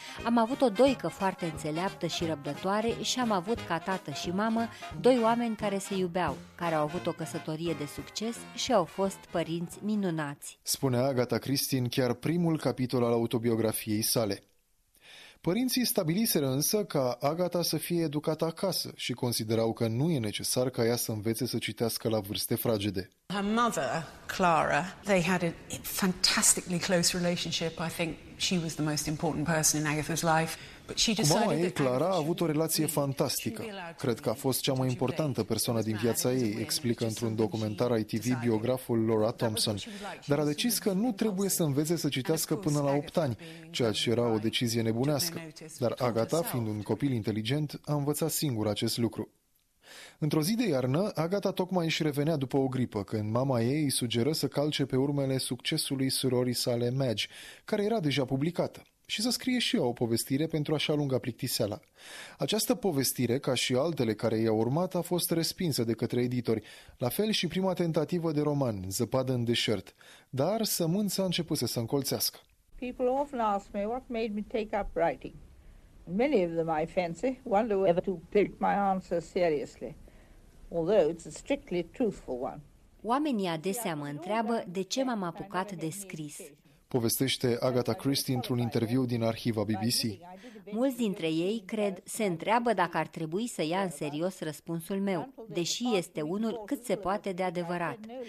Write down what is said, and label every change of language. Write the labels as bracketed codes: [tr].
[ro] Am avut o doică foarte înțeleaptă și răbdătoare și am avut ca tată și mamă doi oameni care se iubeau, care au avut o căsătorie de succes și au fost părinți minunați. Spune Agatha Christie în chiar primul capitol al autobiografiei sale. Părinții stabiliseră însă ca Agatha să fie educată acasă și considerau că nu e necesar ca ea să învețe să citească la vârste fragede. [en] Her mother, Clara, they had a fantastically close relationship. I think she was the most important person in Agatha's life. [ro] Cu mama ei, Clara, a avut o relație fantastică. Cred că a fost cea mai importantă persoană din viața ei, explică într-un documentar ITV biograful Laura Thompson. Dar a decis că nu trebuie să învețe să citească până la 8 ani, ceea ce era o decizie nebunească. Dar Agatha, fiind un copil inteligent, a învățat singur acest lucru. Într-o zi de iarnă, Agatha tocmai își revenea după o gripă, când mama ei îi sugeră să calce pe urmele succesului surorii sale Madge, care era deja publicată, și să scrie și ea o povestire pentru a-și alunga plictiseala. Această povestire, ca și altele care i-au urmat, a fost respinsă de către editori, la fel și prima tentativă de roman, Zăpadă în deșert, dar sămânța a început să se încolțească. [en] People often ask me what made me take up writing. Many of them, I fancy, wonder whether to take my answer seriously, although it's a strictly truthful one. [ro] Oamenii adesea mă întreabă de ce m-am apucat de scris. povestește Agatha Christie într-un interviu din arhiva BBC. Mulți dintre ei, cred, se întreabă dacă ar trebui să ia în serios răspunsul meu, deși este unul cât se poate de adevărat.